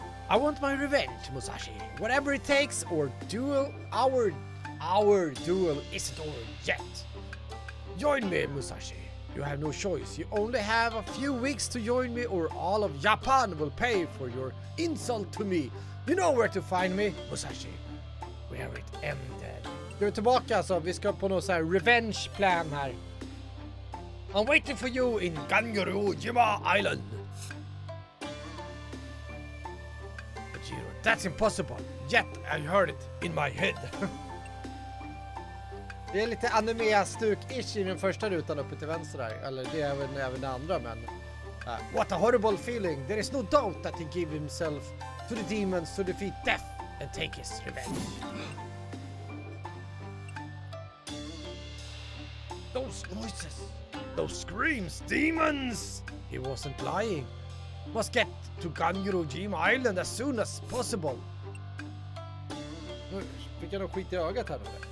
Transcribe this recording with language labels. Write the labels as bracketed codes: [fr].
[en] I want my revenge, Musashi. Whatever it takes, or duel, our duel isn't over yet. Join me, Musashi. You have no choice. You only have a few weeks to join me or all of Japan will pay for your insult to me. You know where to find me, Musashi. Where it ended. [sv] Du är tillbaka alltså. Vi ska på något så här revenge plan här. [en] I'm waiting for you in Ganryu Jima Island. But you know, that's impossible. Yet I heard it in my head. [sv] Det är lite anime-stuk-ish i den första rutan uppe till vänster där. Eller det är även det andra, men... [en] What a horrible feeling! There is no doubt that he gave himself to the demons to defeat death and take his revenge. Those noises! Those screams! Demons! He wasn't lying. Must get to Ganryu Jima Island as soon as possible. [sv] Nu fick jag nog skit i ögat här nu.